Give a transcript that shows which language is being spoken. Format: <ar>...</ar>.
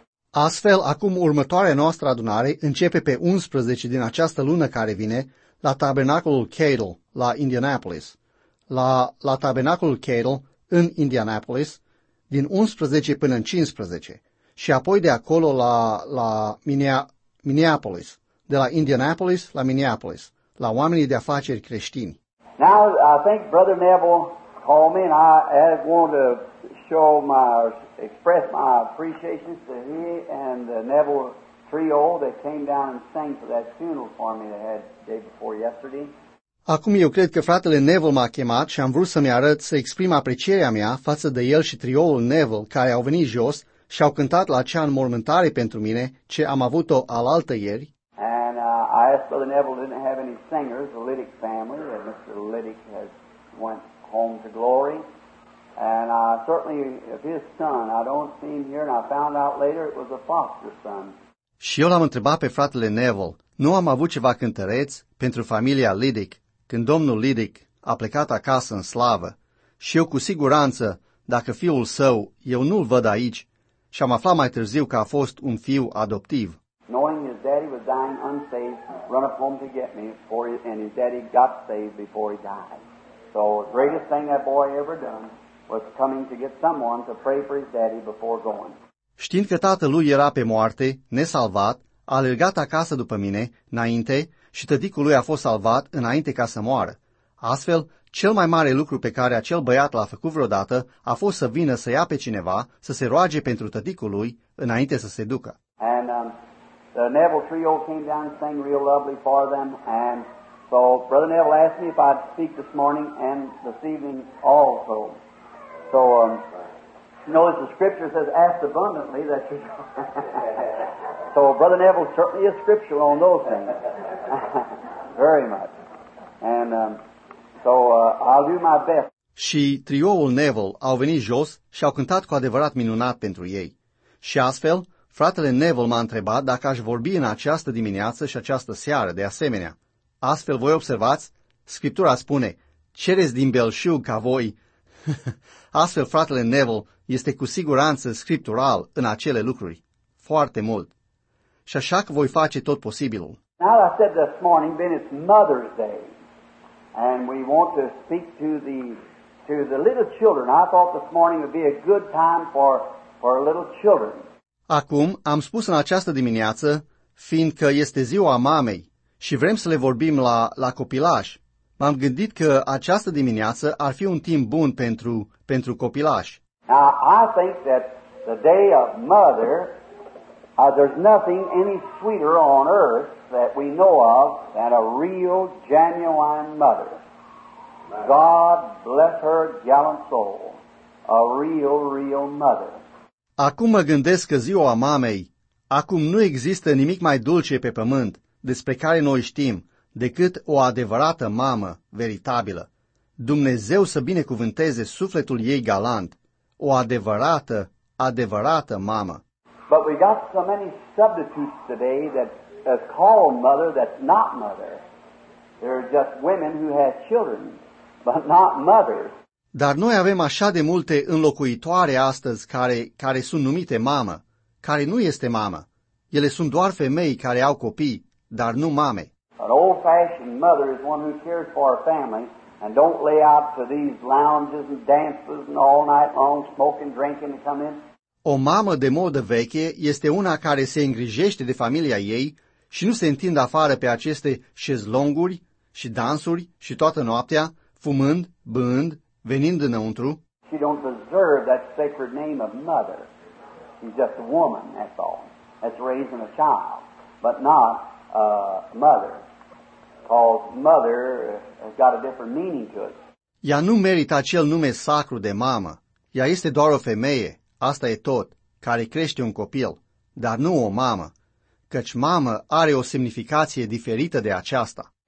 <ro>Astfel, acum următoarea noastră adunare începe pe 11 din această lună care vine la Tabernacolul Cato la Indianapolis. La Tabernacolul Cato în Indianapolis din 11 până în 15 și apoi de acolo la Minneapolis. De la Indianapolis la Minneapolis, la oamenii de afaceri creștini.</ro> <en>Now, I think Brother Neville called me and I want to show my, express my appreciation to he and the Neville trio that came down and sang for that funeral for me they had day before yesterday.</en> <ro>Acum eu cred că fratele Neville m-a chemat și am vrut să-mi arăt, să exprim aprecierea mea față de el și trioul Neville care au venit jos și au cântat la acea înmormântare pentru mine ce am avut-o alaltă ieri.</ro> <en>I asked Brother Neville didn't have any singers, the Liddick family, and Mr. Liddick has went home to glory. And certainly if his son, I don't see him here, and I found out later it was a foster son.</en> <ro>Și eu l-am întrebat pe fratele Neville, nu am avut ceva cântăreț pentru familia Liddick, când domnul Liddick a plecat acasă în slavă. Și eu cu siguranță, dacă fiul său, eu nu-l văd aici, și am aflat mai târziu că a fost un fiu adoptiv.</ro> <en>Knowing his daddy was dying unsaved, run up home to get me, and his daddy got saved before he died. So the greatest thing that boy ever done was coming to get someone to pray for his daddy before going.</en> <ro>Știind că tatălui era pe moarte, nesalvat, a alergat acasă după mine, înainte, și tăticul lui a fost salvat înainte ca să moară. Astfel, cel mai mare lucru pe care acel băiat l-a făcut vreodată a fost să vină să ia pe cineva să se roage pentru tăticul lui înainte să se ducă.</ro> <en>The Neville trio came down and sang real lovely for them, and so Brother Neville asked me if I'd speak this morning and this evening also. So, you know, as the scripture says, ask abundantly that you So Brother Neville certainly is scriptural on those things. Very much. And I'll do my best.</en> <ro>Și trioul Neville au venit jos și au cântat cu adevărat minunat pentru ei. Și astfel, fratele Neville m-a întrebat dacă aș vorbi în această dimineață și această seară de asemenea. Astfel, voi observați, Scriptura spune, cereți din belșug ca voi. Astfel, fratele Neville este cu siguranță scriptural în acele lucruri. Foarte mult. Și așa că voi face tot posibilul.</ro> <en>Now, I said this morning, being it's Mother's Day, and we want to speak to the little children. I thought this morning would be a good time for little children.</en> <ro>Acum am spus în această dimineață, fiindcă este ziua mamei și vrem să le vorbim la copilași, m-am gândit că această dimineață ar fi un timp bun pentru copilași.</ro> <en>Now, I think that the day of mother, there's nothing any sweeter on earth that we know of than a real, genuine mother. God bless her gallant soul, a real, real mother.</en> <ro>Acum mă gândesc că ziua mamei, acum nu există nimic mai dulce pe pământ despre care noi știm decât o adevărată mamă veritabilă. Dumnezeu să binecuvânteze sufletul ei galant, o adevărată, adevărată mamă.</ro> <en>But we got so many substitutes today that call mother that's not mother. They're just women who have children. But not mothers.</en> <ro>Dar noi avem așa de multe înlocuitoare astăzi care sunt numite mamă, care nu este mamă. Ele sunt doar femei care au copii, dar nu mame.</ro> <en>An old-fashioned mother is one who cares for a family and don't lay out to these lounges and dances and all night long smoking, drinking to come in.</en> <ro>O mamă de modă veche este una care se îngrijește de familia ei și nu se întinde afară pe aceste șezlonguri și dansuri și toată noaptea, fumând, bând, venind înăuntru.</ro> <en>She don't deserve that sacred name of mother. She's just a woman, that's all. That's raising a child, but not a mother. Because mother has got a different meaning to it.</en> <ro>Ea nu merită acel nume sacru de mamă. Ea este doar o femeie, asta e tot, care crește un copil, dar nu o mamă, căci mamă are o semnificație diferită de aceasta.</ro>